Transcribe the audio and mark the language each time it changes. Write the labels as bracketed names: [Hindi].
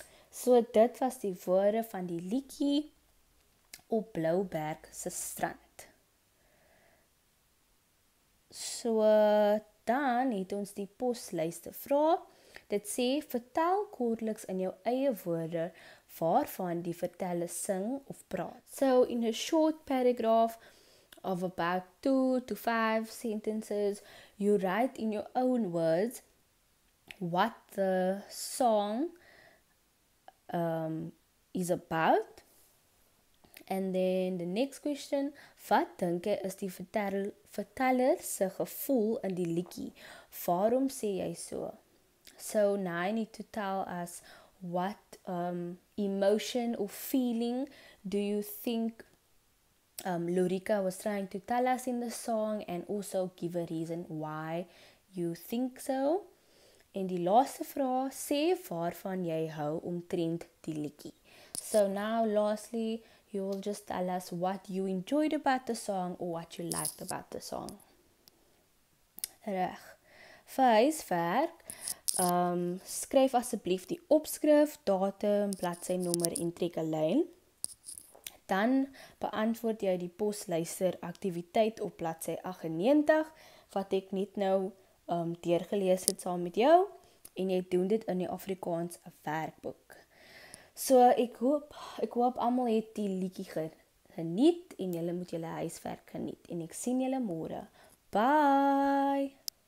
[Afrikaans] So dit was die woorde van die liedjie op Blouberg se strand. So dan het ons die poslyste vra. Dit sê, vertel kortliks in jou eie woorde waarvan die vertelle sing of praat. [English] So in a short paragraph of about 2 to 5 sentences, you write in your own words what the song is about, And then the next question, [Afrikaans] wat dink jy is die verteller se gevoel in die liedjie? Waarom sê jy so? [English] So now I need to tell us what emotion or feeling do you think Lorika was trying to tell us in the song, and also give a reason why you think so. [Afrikaans] En die laaste vraag, sê waarvan jy hou omtrent die liedjie. [English] So now lastly, you will just tell us what you enjoyed about the song or what you liked about the song. [Afrikaans] Reg. Vir huiswerk, skryf asseblief die opskrif, datum, bladsynommer en trek 'n lyn. Dan beantwoord jy die posluister aktiwiteit op bladsy 98 wat ek net nou deurgelees het saam met jou, en jy doen dit in die Afrikaans werkboek. So ek hoop almal het die liedjie geniet, en julle moet julle huiswerk geniet, en ek sien julle môre. Bye.